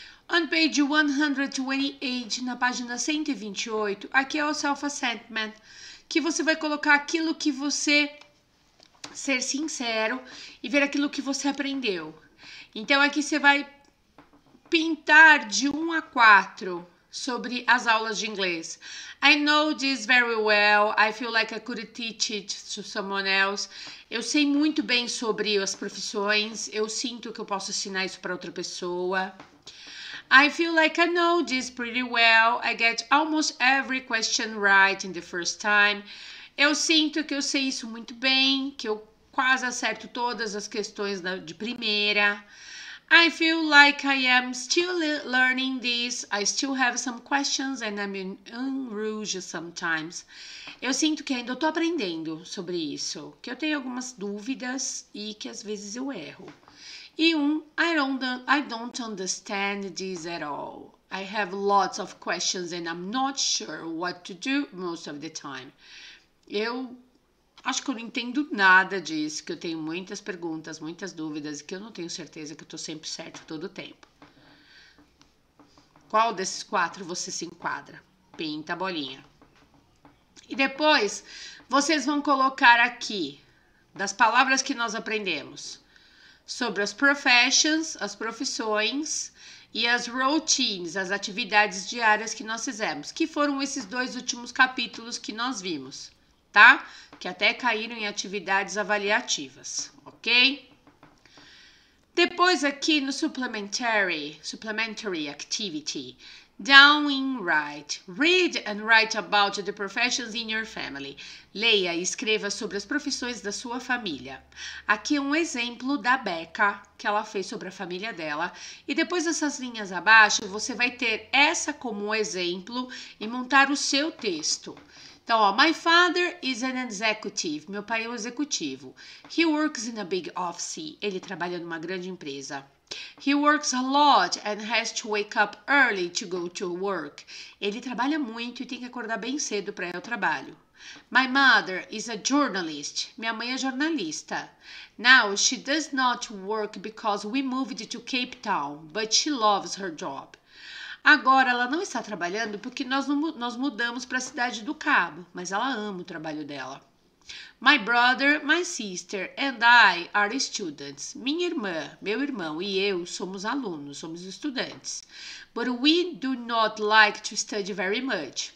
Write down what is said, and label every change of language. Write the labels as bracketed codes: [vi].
[en] On page 128, [pt] na página 128, aqui é o self-assessment, que você vai colocar aquilo que você. Ser sincero e ver aquilo que você aprendeu. Então, aqui você vai pintar de 1 a 4 sobre as aulas de inglês. [en] I know this very well. I feel like I could teach it to someone else. [pt] Eu sei muito bem sobre as profissões. Eu sinto que eu posso ensinar isso para outra pessoa. [en] I feel like I know this pretty well. I get almost every question right in the first time. [pt] Eu sinto que eu sei isso muito bem, que eu quase acerto todas as questões de primeira. [en] I feel like I am still learning this. I still have some questions and I'm in rouge sometimes. [pt] Eu sinto que ainda estou aprendendo sobre isso, que eu tenho algumas dúvidas e que às vezes eu erro. [en] E I don't understand this at all. I have lots of questions and I'm not sure what to do most of the time. [pt] Eu acho que eu não entendo nada disso, que eu tenho muitas perguntas, muitas dúvidas, que eu não tenho certeza que eu estou sempre certo todo o tempo. Qual desses quatro você se enquadra? Pinta a bolinha. E depois, vocês vão colocar aqui, das palavras que nós aprendemos, sobre as professions, as profissões e as routines, as atividades diárias que nós fizemos, que foram esses dois últimos capítulos que nós vimos. Tá? Que até caíram em atividades avaliativas, ok? Depois aqui no [en] supplementary activity, down in right, read and write about the professions in your family. [pt] Leia e escreva sobre as profissões da sua família. Aqui um exemplo da Becca que ela fez sobre a família dela. E depois dessas linhas abaixo, você vai ter essa como exemplo e montar o seu texto. Então, ó, [en] my father is an executive. [pt] Meu pai é um executivo. [en] He works in a big office. [pt] Ele trabalha numa grande empresa. [en] He works a lot and has to wake up early to go to work. [pt] Ele trabalha muito e tem que acordar bem cedo para ir ao trabalho. [en] My mother is a journalist. [pt] Minha mãe é jornalista. [en] Now she does not work because we moved to Cape Town, but she loves her job. [pt] Agora ela não está trabalhando porque nós mudamos para a cidade do Cabo, mas ela ama o trabalho dela. [en] My brother, my sister and I are students. [pt] Minha irmã, meu irmão e eu somos alunos, somos estudantes. [en] But we do not like to study very much.